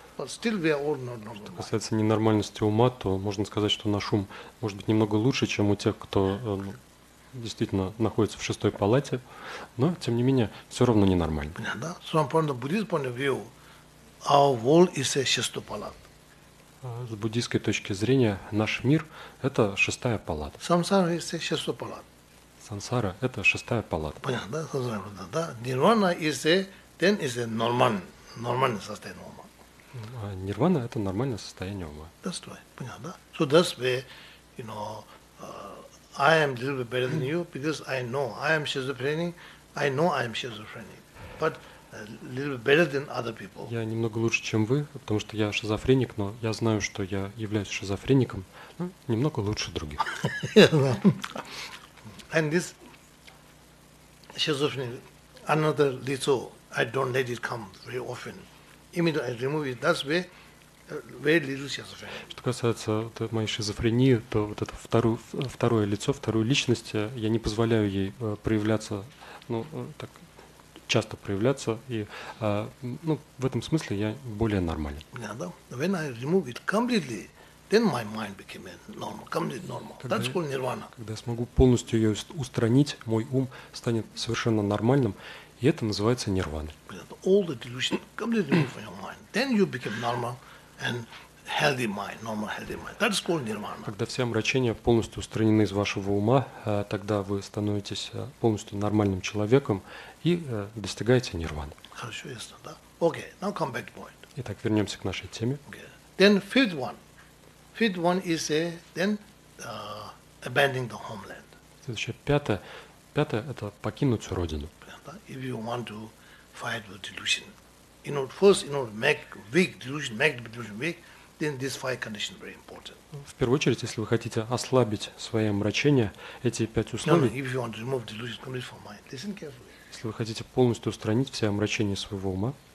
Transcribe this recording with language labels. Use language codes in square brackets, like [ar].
[en] But still we are all not normal. [ru] Что касается ненормальности ума, то можно сказать, что наш ум может быть немного лучше, чем у тех, кто действительно находится в шестой палате, но тем не менее все равно ненормально. [en] Yeah, so from the Buddhist point of view, our world is a [ru] шестой палат. С буддийской точки зрения, наш мир – это шестая палата. Самсара – это шестая палата. Самсара – это шестая палата. Понятно, да? Нирвана – это нормальное состояние ума. Нирвана – это нормальное состояние ума. [en] That's right. [ru] Понятно, да? [en] So that's where, you know, I am a little bit better than you, because I know I am schizophrenic. I know I am schizophrenic. But a little better than other people. [ru] Я немного лучше, чем вы, потому что я шизофреник, но я знаю, что я являюсь шизофреником, ну, немного лучше других. [en] And this schizophrenic, another little, I don't let it come very often. Immediately I remove it. That's where very little schizophrenic. [ru] Что касается моей шизофрении, то вот это второе лицо, вторую личность, я не позволяю ей проявляться, ну, так часто проявляться, и ну, в этом смысле я более нормален. [en] When I remove it completely, then my mind became normal, completely normal. That's called nirvana. [ru] Когда я смогу полностью ее устранить, мой ум станет совершенно нормальным, и это называется нирваной. [en] All the delusion completely removed from your mind. Then you become normal and healthy mind, normal healthy mind. That's called nirvana. [ru] Когда все омрачения полностью устранены из вашего ума, тогда вы становитесь полностью нормальным человеком и достигаете нирваны. Хорошо, ясно, да? [en] Okay, now come back to point. [ru] Итак, вернемся к нашей теме. [en] Okay. Then fifth one is a then abandoning the homeland. [ru] Следующее, пятое это покинуть родину. [en] If you want to fight with delusion, you know, first, you know, make the delusion weak. Then these five conditions are very important. [ru] В первую очередь, если вы хотите ослабить свои омрачения, эти пять условий. [en] No, if you want to remove delusion completely from mind, listen carefully. [ru] Если вы хотите полностью устранить все омрачения своего ума.